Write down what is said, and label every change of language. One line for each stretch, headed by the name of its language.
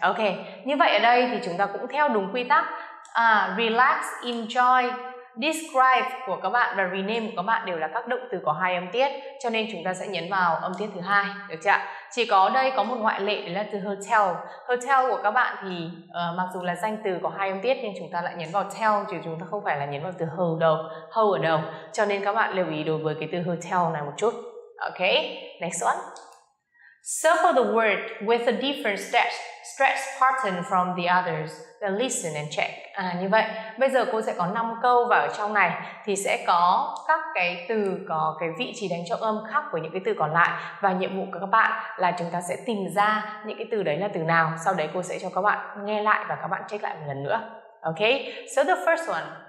Vietnamese: Ok, như vậy ở đây thì chúng ta cũng theo đúng quy tắc. Relax, enjoy, describe của các bạn và rename của các bạn đều là các động từ có hai âm tiết, cho nên chúng ta sẽ nhấn vào âm tiết thứ hai, được chưa? Chỉ có đây có một ngoại lệ là từ hotel. Hotel của các bạn thì mặc dù là danh từ có hai âm tiết nhưng chúng ta lại nhấn vào tell, chứ chúng ta không phải là nhấn vào từ hotel đâu, hotel ở đâu. Cho nên các bạn lưu ý đối với cái từ hotel này một chút.
English: Ok, next one. So for the word with a different stress pattern from the others, then listen and check.
Vietnamese: À, như vậy, bây giờ cô sẽ có 5 câu và ở trong này thì sẽ có các cái từ có cái vị trí đánh trọng âm khác với những cái từ còn lại. Và nhiệm vụ của các bạn là chúng ta sẽ tìm ra những cái từ đấy là từ nào. Sau đấy cô sẽ cho các bạn nghe lại và các bạn check lại một lần nữa.
English: Ok, so the first one.